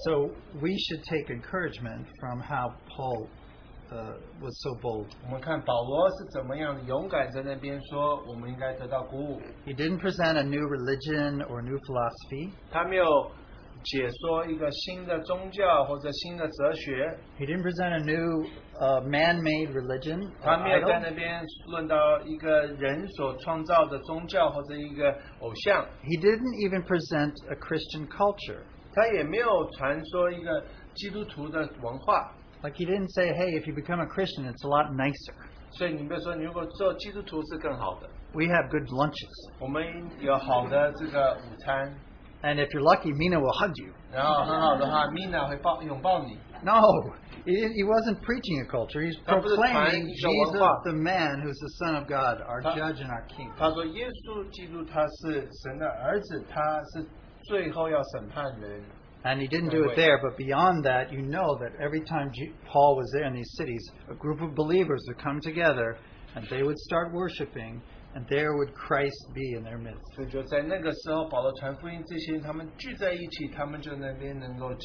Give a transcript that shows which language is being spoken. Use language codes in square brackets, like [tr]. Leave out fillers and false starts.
[en] So we should take encouragement from how Paul was so bold. [zh] 我们看保罗是怎么样勇敢在那边说，我们应该得到鼓舞。 [en] He didn't present a new religion or new philosophy. [zh] 他没有解说一个新的宗教或者新的哲学。 [en] He didn't present a new man-made religion. [zh] 他没有在那边论到一个人所创造的宗教或者一个偶像。 [en] He didn't even present a Christian culture. [zh] 他也没有传说一个基督徒的文化。 [en] Like he didn't say, hey, if you become a Christian, it's a lot nicer. [zh] 所以你比如说，你如果做基督徒是更好的。 [en] We have good lunches. [zh] 我们有好的这个午餐。 [en] And if you're lucky, Mina will hug you. [zh] 然后很好的话，Mina会抱拥抱你。 [en] No, he wasn't preaching a culture. He's proclaiming Jesus, the man who's the Son of God, our Judge and our King. [zh] 他说，耶稣基督他是神的儿子，他是最后要审判人。 [en] And he didn't do it there, but beyond that, you know that every time Paul was there in these cities, a group of believers would come together, and they would start worshiping, and there would Christ be in their midst.